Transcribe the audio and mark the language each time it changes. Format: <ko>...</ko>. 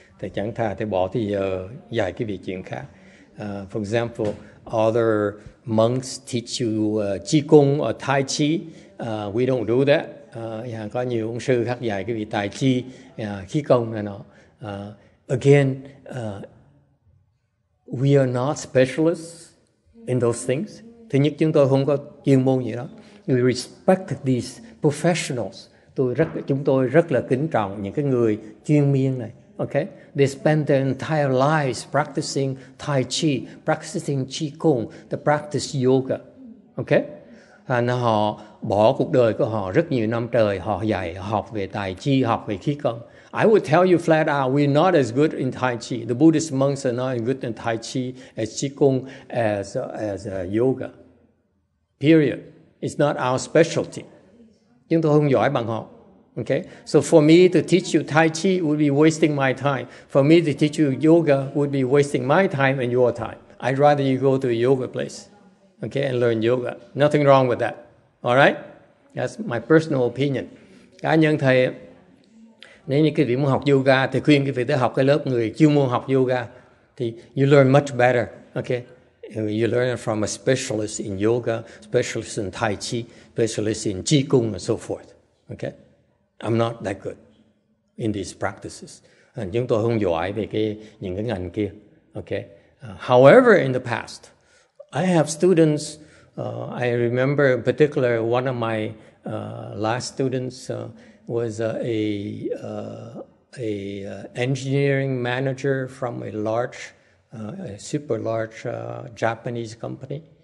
<vi>Thầy chẳng thà thầy bỏ thì giờ dạy cái việc chuyện khác.</vi> <en>For example, other monks teach you qigong or tai chi. We don't do that.</en> <vi>Có nhiều ông sư khác dạy cái việc tai chi, khí công này nọ.</vi> <en>Again, we are not specialists in those things.</en> <vi>Thứ nhất, chúng tôi không có chuyên môn gì đó.</vi> <en>We respect these professionals.</en> <vi>Chúng tôi rất là kính trọng những cái người chuyên miên này.</vi> <en>Okay? They spend their entire lives practicing Tai Chi, practicing Qi Gong, the practice yoga. Okay?</en> <vi>And họ bỏ cuộc đời của họ rất nhiều năm trời, họ dạy, học về Tai Chi, học về khí công.</vi> <en>I would tell you flat out, we're not as good in Tai Chi. The Buddhist monks are not as good in Tai Chi, as Qigong, as yoga. Period. It's not our specialty.</en> <vi>Chúng tôi không giỏi bằng họ.</vi> <en>Okay? So for me to teach you Tai Chi would be wasting my time. For me to teach you yoga would be wasting my time and your time. I'd rather you go to a yoga place, okay, and learn yoga. Nothing wrong with that. All right? That's my personal opinion.</en> <vi>Cá nhân thầy, nếu như quý vị muốn học yoga, thì khuyên quý vị tới học cái lớp người chuyên môn học yoga. Thì</vi> <en>you learn much better, okay? You learn from a specialist in yoga, specialist in Tai Chi, specialist in Qigong and so forth, okay? I'm not that good in these practices.</en> <vi>And chúng tôi không giỏi về những cái ngành kia, okay?</vi> <en>However, in the past, I have students, I remember in particular one of my last students was a engineering manager from a large, a super large Japanese company.</en>